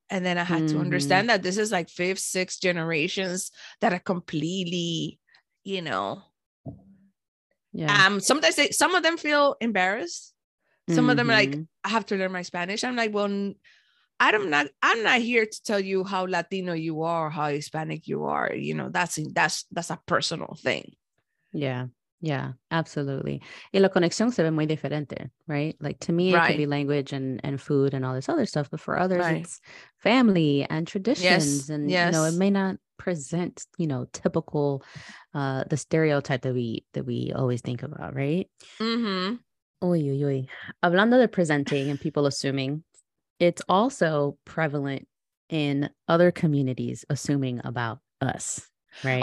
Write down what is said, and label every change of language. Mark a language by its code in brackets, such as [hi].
[en] And then I had to understand that this is like fifth, sixth generations that are completely, you know. Yeah. Sometimes some of them feel embarrassed. Some of them are like, I have to learn my Spanish. I'm like, well, I'm not here to tell you how Latino you are, or how Hispanic you are. You know, that's a personal thing. Yeah. Yeah, absolutely. [es] Y la conexión se ve muy diferente, [en] right? Like to me, it could be language and food and all this other stuff, but for others, it's family and traditions. Yes. And, you know, it may not present, you know, typical, the stereotype that we always think about, right? Mm-hmm. Uy, uy, uy. [es] Hablando de [en] presenting and people assuming, it's also prevalent in other communities assuming about us, right?